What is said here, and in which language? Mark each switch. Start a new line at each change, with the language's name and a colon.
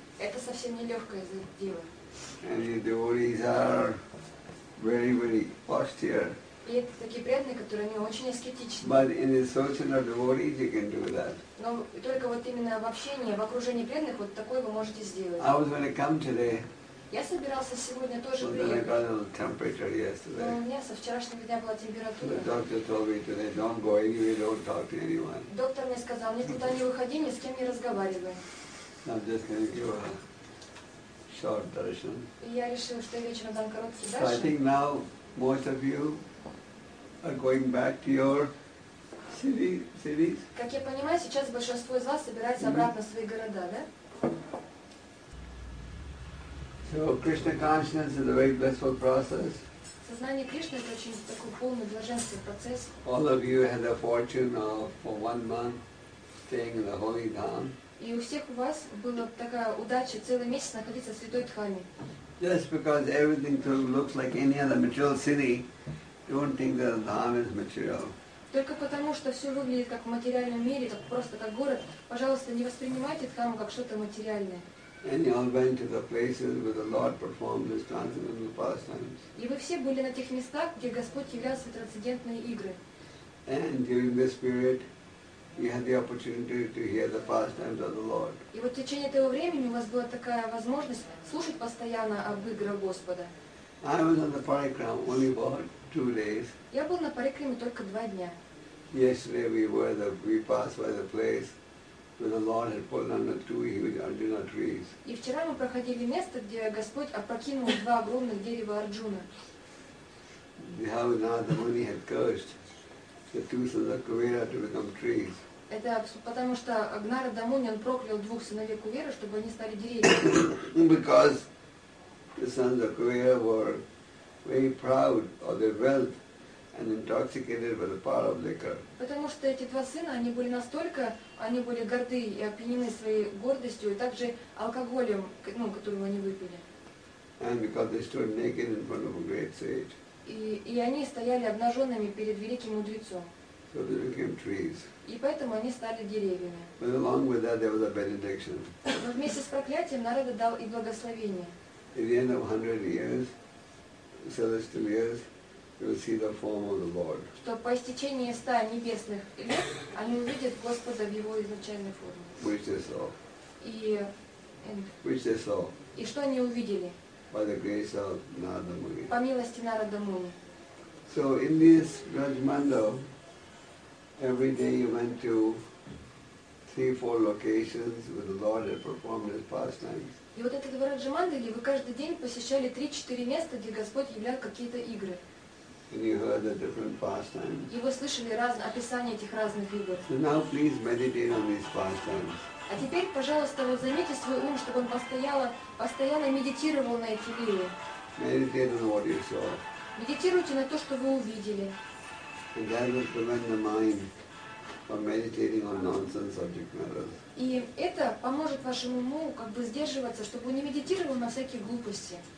Russian: Это совсем не легкое дело.
English: And your devotees are very, very austere.
Russian: И это такие преданные, которые они очень аскетичны.
English: But in association of devotees, you can do that.
Russian: Но только вот именно в общении, в окружении преданных вот такое вы можете сделать.
English: I was going to come today.
Russian: Я собирался сегодня тоже приехать. Но у меня со вчерашнего дня была температура.
English: The doctor told me today, don't go anywhere, don't talk to anyone.
Russian: Доктор мне сказал, никуда не выходи, ни с кем не разговаривай.
English: I'm just going to give a short darshan. So I think now most of you are going back to your cities.
Russian: Как я понимаю, сейчас большинство из вас собирается обратно в свои города, да?
English: So Krishna consciousness is a very blissful process.
Russian: Сознание Кришны это очень такой полный блаженственный процесс.
English: All of you had the fortune of for 1 month staying in the holy dham.
Russian: И у всех у вас была такая удача целый месяц находиться в Святой Дхаме.
English: Just because everything looks like any other material city, don't think that Dham is material.
Russian: Только потому, что все выглядит как в материальном мире, как просто как город, пожалуйста, не воспринимайте Дхаму как что-то материальное.
English: And you all went to the places where the Lord performed His transcendental pastimes.
Russian: И вы все были на тех местах, где Господь являл свои трансцендентные игры.
English: And during this period, you had the opportunity to hear the pastimes of the Lord.
Russian: И вот в течение этого времени у вас была такая возможность слушать постоянно об играх Господа.
English: I was on the parikram only for 2 days.
Russian: Я был на парикраме только 2 дня.
English: Yesterday we passed by the place where the Lord had pulled under 2 huge Arjuna trees.
Russian: И вчера мы проходили место, где Господь опрокинул 2 огромных дерева Арджуна.
English: The Muni had cursed the 2 sons of Kuvera to become trees.
Russian: Это потому что Нарада Муни он проклял 2 сыновей Кувера, чтобы они стали деревьями.
English: Because the sons of Kuvera were very proud of their wealth and intoxicated by the power of liquor.
Russian: Потому что эти 2 сына, они были настолько, они были горды и опьянены своей гордостью и также алкоголем, ну, которого они выпили.
English: And because they stood naked in front of a great sage.
Russian: И они стояли обнаженными перед великим мудрецом.
English: So they became trees.
Russian: И поэтому они стали деревьями.
English: But along with that, there was a benediction.
Russian: Но вместе с проклятием Нарада дал и благословение.
English: At the end of 100 years, celestial years, you will see the form of the Lord.
Russian: Что по истечении 100 небесных лет они увидят Господа в его изначальной форме.
English: Which they saw.
Russian: И
English: which they saw.
Russian: И что они увидели?
English: By the grace of Narada Muni.
Russian: По милости Нарада Муни.
English: So in this Brajmandal, every day you went to 3-4 locations where the Lord had performed his pastimes.
Russian: И вот этот Брадж-мандале вы каждый день посещали 3-4 места, где Господь являл какие-то игры.
English: And you heard the different pastimes.
Russian: И вы слышали описание этих разных игр.
English: So now please meditate on these pastimes.
Russian: А теперь, пожалуйста, вот займите свой ум, чтобы он постоянно медитировал на эти лилии.
English: Meditate on what you saw.
Russian: Медитируйте на то, что вы увидели.
English: And that will prevent the mind from meditating on nonsense subject matters.
Russian: И это поможет вашему уму как бы сдерживаться, чтобы он не медитировал на всякие глупости.